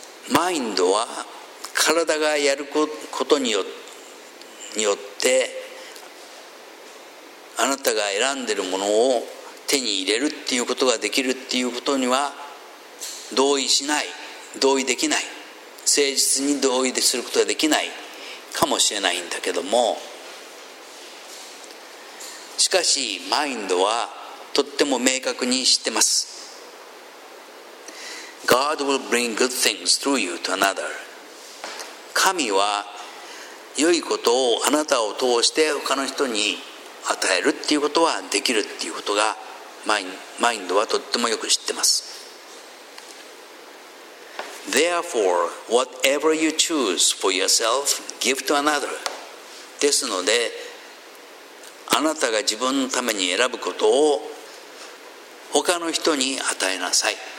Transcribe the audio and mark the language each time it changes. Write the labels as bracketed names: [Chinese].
[Japanese] マインドは体がやることによってあなたが選んでいるものを手に入れるっていうことができるっていうことには同意しない、同意できない、誠実に同意することができないかもしれないんだけども、しかしマインドはとっても明確に知ってます。 [English] God will bring good things through you to another. [Japanese] 神は良いことをあなたを通して他の人に与えるっていうことはできるっていうことがマインドはとってもよく知ってます。 [English] Therefore, whatever you choose for yourself, give to another. [Japanese] ですので、あなたが自分のために選ぶことを他の人に与えなさい。